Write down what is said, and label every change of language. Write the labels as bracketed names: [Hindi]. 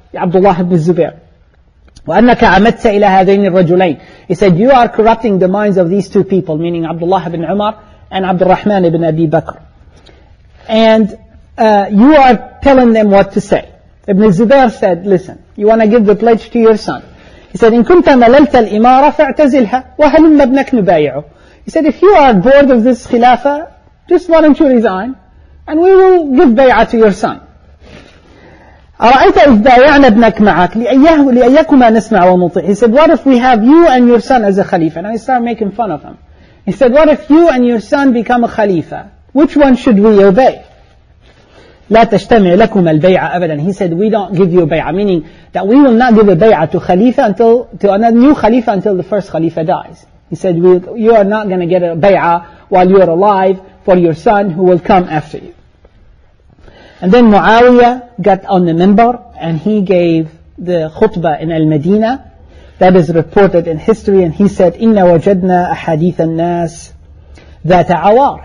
[Arabic] Abdullah ibn Zubair. وَأَنَّكَ عَمَدْتَ إِلَى هَذَيْنِ الرَّجُلَيْنِ. [English] He said, you are corrupting the minds of these two people, meaning Abdullah ibn Umar and Abdul Rahman ibn Abi Bakr. And you are telling them what to say. Ibn Zubair said, listen, you want to give the pledge to your son. He said, [Arabic] إِن كُنْتَ مَلَلْتَ الْإِمَارَ فَاعْتَزِلْهَا وَهَلُمَّ ابْنَكْ نُبَايِعُ. [English] He said, if you are bored of this khilafah, just why don't you resign? And we will give bay'ah to your son. [Arabic] أرأيت إذ بايعنا ابنك معك لأيكما نسمع ونطيع. [English] He said, what if we have you and your son as a khalifa? And I start making fun of him. He said, what if you and your son become a khalifa? Which one should we obey? [Arabic] لا تجتمع لكم البيعة أبدا. [English] He said, we don't give you a bay'ah, meaning that we will not give a bay'ah to khalifa until to a new khalifa until the first khalifa dies. He said, you are not going to get a bay'ah while you are alive for your son who will come after you. And then Muawiyah got on the minbar and he gave the khutbah in Al-Madinah that is reported in history, and he said, [Arabic] إِنَّ وَجَدْنَا أَحَدِيثَ النَّاسِ ذَاتَ عَوَارِ.